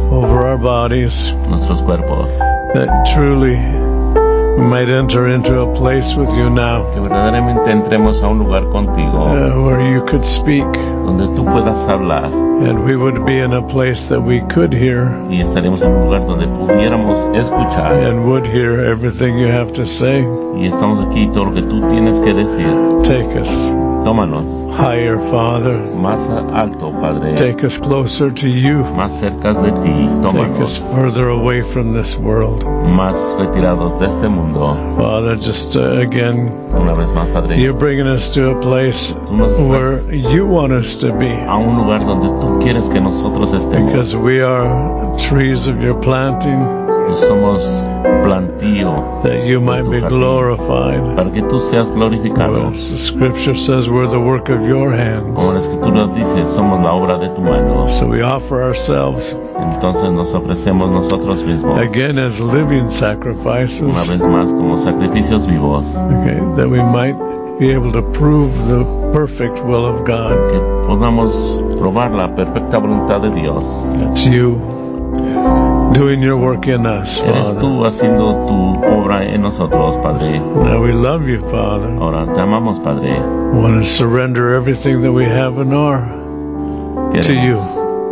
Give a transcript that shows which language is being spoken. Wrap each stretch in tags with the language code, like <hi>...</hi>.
<en>Over our bodies.</en> <es>Nuestros cuerpos.</es> <en>That truly we might enter into a place with you now.</en> <es>Que verdaderamente entremos a un lugar contigo.</es> <en>Where you could speak.</en> <es>Donde tú puedas hablar.</es> <en>And we would be in a place that we could hear.</en> <es>Y estaremos en un lugar donde pudiéramos escuchar.</es> <en>And would hear everything you have to say.</en> <es>Y estamos aquí todo lo que tú tienes que decir.</es> <en>Take us.</en> <es>Tómanos.</es> <en>Higher, Father.</en> <es>Más alto, Padre.</es> <en>Take us closer to you.</en> <es>Más cerca de ti. Tómanos.</es> <en>Take us further away from this world.</en> <es>Más retirados de este mundo.</es> <en>Father, just again.</en> <es>Una vez más, Padre.</es> <en>You're bringing us to a place where you want us to be.</en> <es>A un lugar donde tú quieres que nosotros estemos.</es> <en>Because we are trees of your planting.</en> <es>Somos plantío.</es> <en>That you might be glorified.</en> <es>Para que tú seas glorificado.</es> <en>Well, as the scripture says, we're the work of your hands.</en> <es>Como la escritura dice, somos la obra de tu mano.</es> <en>So we offer ourselves.</en> <es>Entonces nos ofrecemos nosotros mismos.</es> <en>Again, as living sacrifices.</en> <es>Una vez más, como sacrificios vivos.</es> <en>Okay, that we might be able to prove the perfect will of God.</en> <es>Que podamos probar la perfecta voluntad de Dios.</es> <en>It's you. Doing your work in us, Father.</en> <es>Eres tú haciendo tu obra en nosotros, Padre.</es> <en>Now we love you, Father.</en> <es>Ahora te amamos, Padre.</es> <en>We want to surrender everything that we have and are to you.</en>